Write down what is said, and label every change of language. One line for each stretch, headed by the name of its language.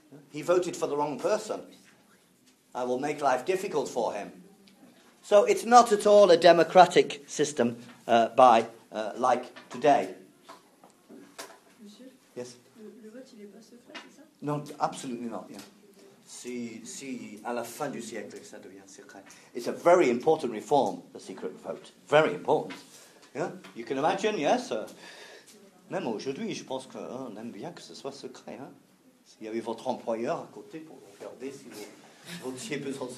English: He voted for the wrong person. I will make life difficult for him. So it's not at all a democratic system like today.
French: Monsieur?
English: Yes?
French: Le vote, il est pas secret, c'est ça?
English: Non, absolutely not. Yeah.
French: Si, à la fin du siècle, ça devient secret.
English: It's a very important reform, the secret vote. Very important. Yeah? You can imagine, yes?
French: Même aujourd'hui, je pense qu'on aime bien que ce soit secret. Hein? S'il y avait votre employeur à côté pour regarder si vous...